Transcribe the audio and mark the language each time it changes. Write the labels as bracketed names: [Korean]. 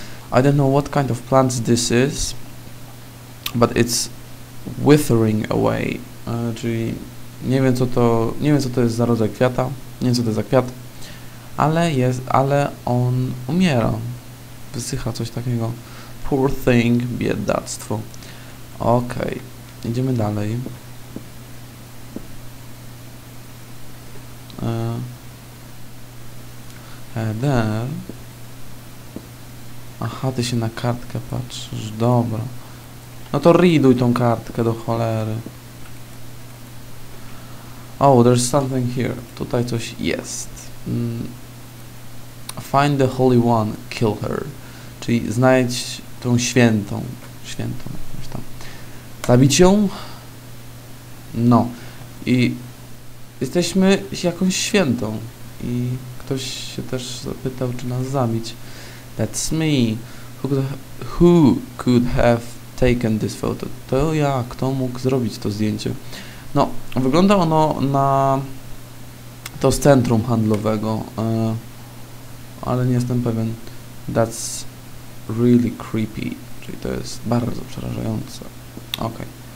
[English] I don't know what kind of plants this is, but it's withering away. [Polish] Czyli... Nie wiem, co to, nie wiem, co to jest za rodzaj kwiata, nie wiem, co to jest za kwiat, ale jest, ale on umiera, wysycha, coś takiego. [English] Poor thing, [Polish] biedactwo. Okej, okay. Idziemy dalej. Heather. Aha, ty się na kartkę patrzysz, dobra. No to riduj tą kartkę do cholery. [English] Oh, there's something here. [Polish] Tutaj coś jest. [English] Mm. F- Find the Holy One, kill her. [Polish] Czyli znajdź tą świętą. Świętą jakąś tam. Zabić ją? No. I jesteśmy jakąś świętą. I ktoś się też zapytał, czy nas zabić. [English] That's me. Who could have taken this photo? [Polish] To ja, kto mógł zrobić to zdjęcie? No, wygląda ono na to z centrum handlowego, ale nie jestem pewien. [English] That's really creepy. [Polish] Czyli to jest bardzo przerażające. Okej. Okay.